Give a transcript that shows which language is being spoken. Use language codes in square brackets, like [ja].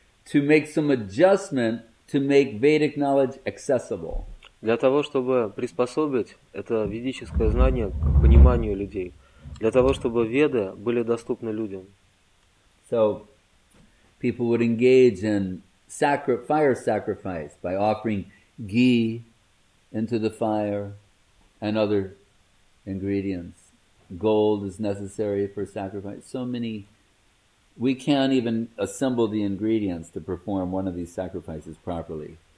[en] To make some adjustment to make Vedic knowledge accessible. [ru] Для того, чтобы приспособить это ведическое знание к пониманию людей. Для того, чтобы веды были доступны людям. [en] So, people would engage in fire sacrifice by offering ghee into the fire and other ingredients. Gold is necessary for sacrifice. So many, we can't even assemble the ingredients to perform one of these sacrifices properly.